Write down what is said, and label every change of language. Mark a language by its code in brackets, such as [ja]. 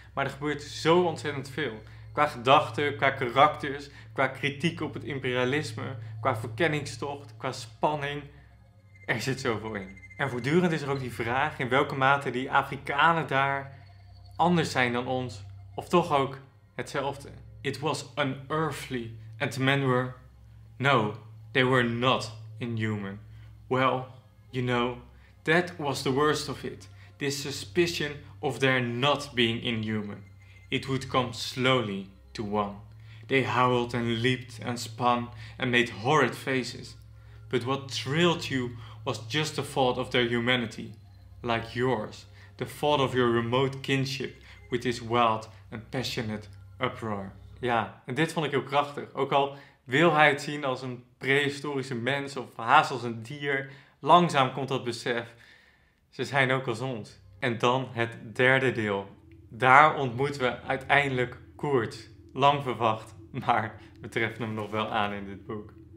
[nl] Maar er gebeurt zo ontzettend veel. Qua gedachten, qua karakters, qua kritiek op het imperialisme, qua verkenningstocht, qua spanning. Er zit zoveel in. En voortdurend is er ook die vraag in welke mate die Afrikanen daar anders zijn dan ons. Of toch ook hetzelfde. [en] It was unearthly. And the men were... No, they were not inhuman. Well, you know, that was the worst of it. This suspicion of their not being inhuman. It would come slowly to one. They howled and leaped and spun and made horrid faces. But what thrilled you was just the thought of their humanity, like yours, the thought of your remote kinship with this wild and passionate uproar. [nl] Ja, en dit vond ik heel krachtig. Ook al wil hij het zien als een prehistorische mens of haast als een dier, langzaam komt dat besef, ze zijn ook als ons. En dan het derde deel. Daar ontmoeten we uiteindelijk Kurt. Lang verwacht, maar we treffen hem nog wel aan in dit boek.